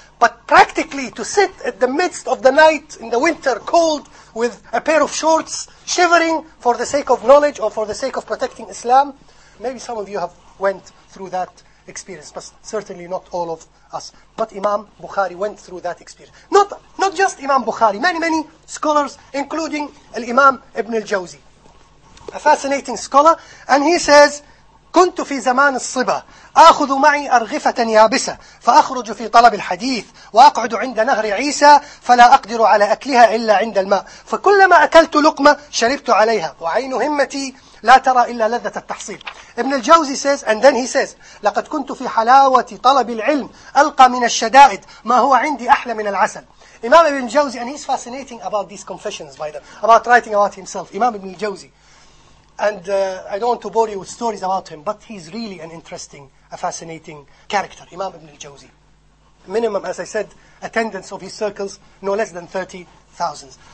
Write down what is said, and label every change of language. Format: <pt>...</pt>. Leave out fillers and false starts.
<en>But practically, to sit at the midst of the night in the winter cold with a pair of shorts, shivering for the sake of knowledge or for the sake of protecting Islam, maybe some of you have went through that experience, but certainly not all of us. But Imam Bukhari went through that experience. Not just Imam Bukhari, many, many scholars, including Imam Ibn al-Jawzi, a fascinating scholar, and he says,</en> <ar>كنت في زمان الصبا أخذ معي أرغفة يابسة فأخرج في طلب الحديث وأقعد عند نهر عيسى فلا أقدر على أكلها إلا عند الماء فكلما أكلت لقمة شربت عليها وعين همتي لا ترى إلا لذة التحصيل. ابن الجوزي</ar> <en>says, and then he says,</en> <ar>لقد كنت في حلاوة طلب العلم ألقى من الشدائد ما هو عندي أحلى من العسل.</ar> <en>Imam Ibn al-Jawzi, and he's fascinating about these confessions, by the way, about writing about himself. Imam Ibn al-Jawzi. And I don't want to bore you with stories about him, but he's really an interesting, a fascinating character, Imam Ibn al-Jawzi. Minimum, as I said, attendance of his circles, no less than 30,000.</en>